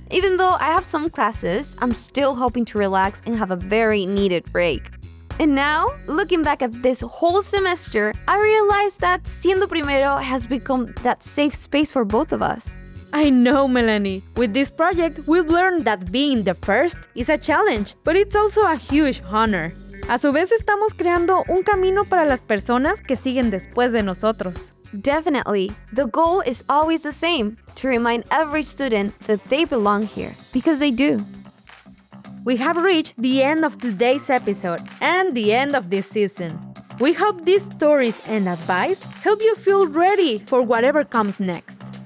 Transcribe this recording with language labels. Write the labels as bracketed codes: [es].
[en] Even though I have some classes, I'm still hoping to relax and have a very needed break. And now, looking back at this whole semester, I realized that Siendo Primero has become that safe space for both of us. I know, Melanie. With this project, we've learned that being the first is a challenge, but it's also a huge honor. [es] A su vez, estamos creando un camino para las personas que siguen después de nosotros. [en] Definitely. The goal is always the same, to remind every student that they belong here, because they do. We have reached the end of today's episode and the end of this season. We hope these stories and advice help you feel ready for whatever comes next.